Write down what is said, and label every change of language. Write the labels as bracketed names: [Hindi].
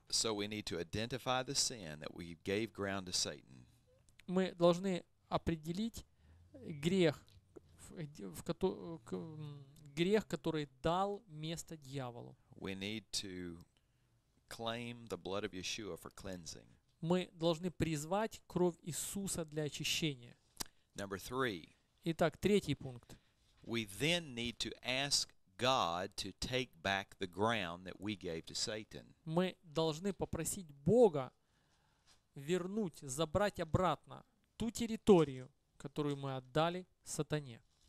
[English] So we need to identify the sin that we gave ground to Satan. [Russian] Мы должны определить грех, грех, который дал место дьяволу. [English] We need to claim the blood of Yeshua for cleansing. [Russian] Мы должны призвать кровь Иисуса для очищения. [English] Number three. [Russian] Итак, третий пункт. [English] We then need to ask God to take back the ground that we gave to Satan. [Russian] Мы должны попросить Бога вернуть, забрать обратно ту территорию, которую мы отдали сатане.